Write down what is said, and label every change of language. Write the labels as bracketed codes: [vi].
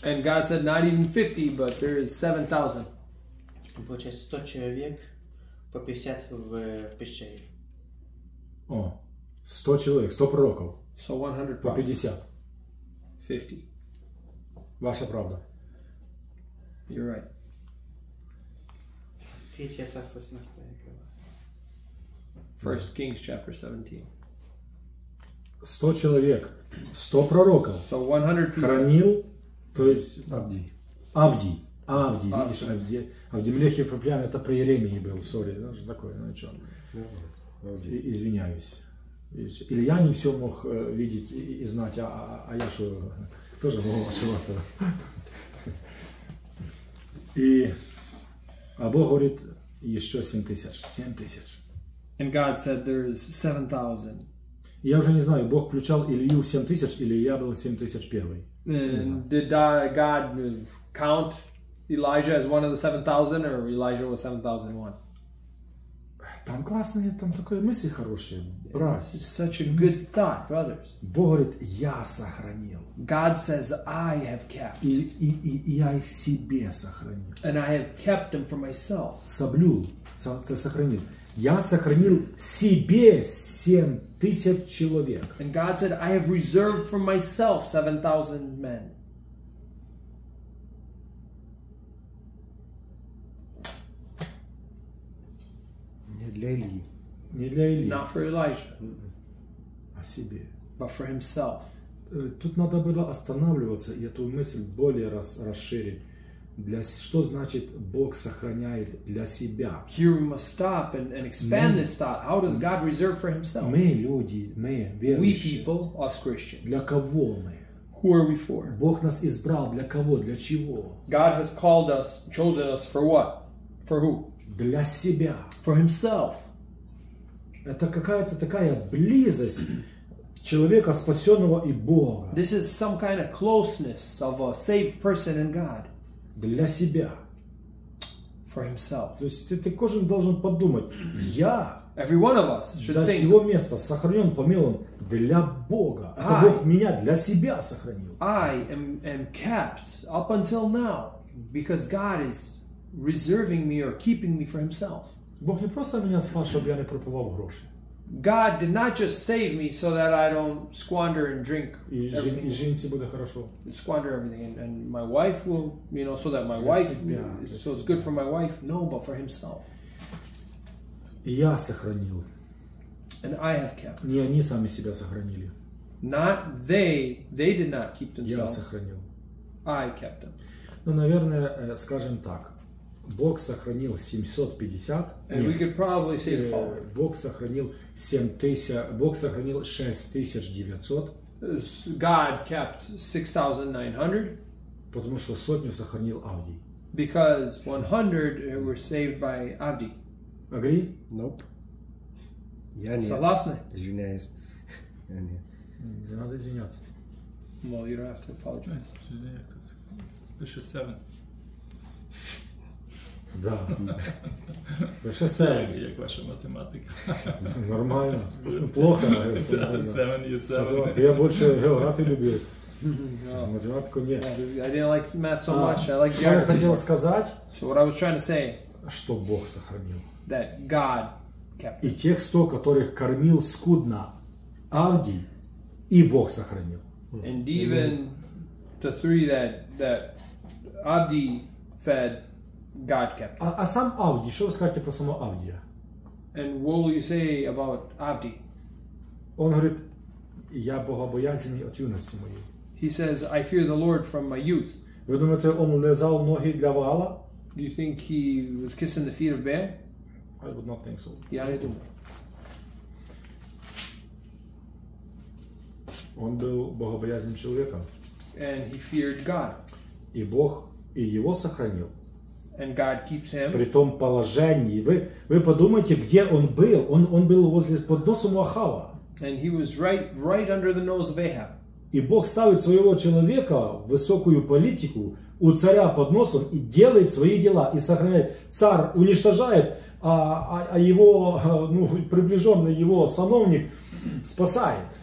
[en] And God said not even 50, but there is 7,000. [ru] Получается, 100 человек по 50 в пещере. О, 100 человек, 100 пророков. [en] So 100 [ru] по 50. 50. Ваша правда. [en] You're right. [ru] Третье царство 17 глава. [en] First Kings chapter 17. [ru] 100 человек, 100 пророков. [en] So 100 people. [ru] Хранил, то есть... Авдий. Авдий. Авдий, видишь, Авдий. Авдимелех Ефраплян, это при Иеремии был, сори, даже такое, ну что. Извиняюсь. Илья не все мог видеть и знать, а я что, тоже мог ошибаться. А Бог говорит, еще 7000. 7000. [en] And God said, there's 7000. [ru] Я уже не знаю, Бог включал Илью 7000, или я был 7000 первый. [en] Did God count Elijah as one of the 7,000, or Elijah was 7,001? [ru] Там классные, там такие мысли хорошие, брат. [en] It's such a good thought, brothers. [ru] Бог говорит, я сохранил. [en] God says, I have kept. [ru] И я их себе сохранил. [en] And I have kept them for myself. [ru] Соблюл, ты сохранил. Я сохранил себе 7,000 человек. [en] And God said, I have reserved for myself 7,000 men. [ru] Для Ильи. Не для Ильи. Not for Elijah. А себе. But for himself. Тут надо было останавливаться и эту мысль более раз расширить. Для, что значит Бог сохраняет для себя? [en] Here we must stop and expand this thought. How does God reserve for himself? [ru] Мы люди, мы верующие. [en] We people, us Christians. [ru] Для кого мы? [en] Who are we for? [ru] Бог нас избрал для кого, для чего? [en] God has called us, chosen us for what? For who? [ru] Для себя. [en] For himself. [ru] Это какая-то такая близость человека спасенного и Бога. [en] This is some kind of closeness of a saved person and God. [ru] Для себя. [en] For himself. [ru] То есть ты каждый должен подумать, я. [en] Every one of us should think. [ru] До сего места сохранен, помилован для Бога. Это Бог меня для себя сохранил. [en] I am kept up until now because God is reserving me or keeping me for himself. [ru] Бог не просто меня спас, чтобы я не пропивал гроши. [en] God did not just save me so that I don't squander and drink everything. [ru] И жизнь будет хорошо. [en] Squander everything and my wife will, you know, so that my wife, so it's good for my wife. No, but for himself. [ru] Я сохранил. [en] And I have kept. [ru] Не они сами себя сохранили. [en] Not they did not keep themselves. [ru] Я сохранил. [en] I kept them. [ru] Ну, наверное, скажем так. Бог сохранил 750. [en] And нет, we could probably say the following. [ru] Бог сохранил 7000. Бог сохранил 6900. [en] God kept 6900. [ru] Потому что сотню сохранил Авди. [en] Because 100 were saved by Авди. Agree? Nope. [ru] Я не. Согласны? Извиняюсь. Я не. Не надо извиняться. Well, you don't have to apologize. Выше 7. Да. Выше 7. Я к вашей математике. Нормально. Плохо. Да, 7 и 7. Я больше географию люблю. [en] No. [ru] Математику нет. [en] I didn't like math so much. I like geography. [ru] Что я хотел сказать? [en] So what I was trying to say. [ru] Что Бог сохранил. [en] That God kept. [ru] И тех 100, которых кормил скудно Авдий, и Бог сохранил. [en] And even the three that Авдий fed, God kept. [ru] А сам Авдий, что вы скажете про самого Авдия? [en] And what will you say about Авдий? [ru] Он говорит, я богобоязненный от юности моей. [en] He says, I fear the Lord from my youth. [ru] Вы думаете, он лизал ноги для Ваала? [en] Do you think he was kissing the feet of Baal? I would not think so. [ru] Я не думаю. Он был богобоязненным человеком. [en] And he feared God. [ru] И Бог и его сохранил. [en] And God keeps him. [ru] При том положении. Вы подумайте, где он был. Он был возле под носом у Ахава. [en] And he was right under the nose of Ahab. [ru] И Бог ставит своего человека в высокую политику у царя под носом и делает свои дела и сохраняет. Царь уничтожает, а его приближенный, его сановник спасает.